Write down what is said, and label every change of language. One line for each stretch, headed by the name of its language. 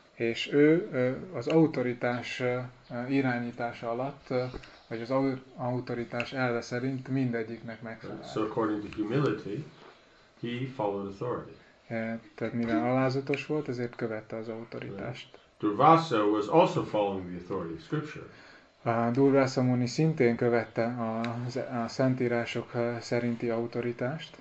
Hungarian: És ő az autoritás irányítása alatt, vagy az autoritás elve szerint mindegyiknek megfelel.
English: So according to humility, he followed authority.
Hungarian: Tehát mivel alázatos volt, ezért követte az autoritást. Right.
English: Durvasa was also following the authority of scripture.
Hungarian: Durvasa Muni szintén követte a szentírások szerinti autoritást.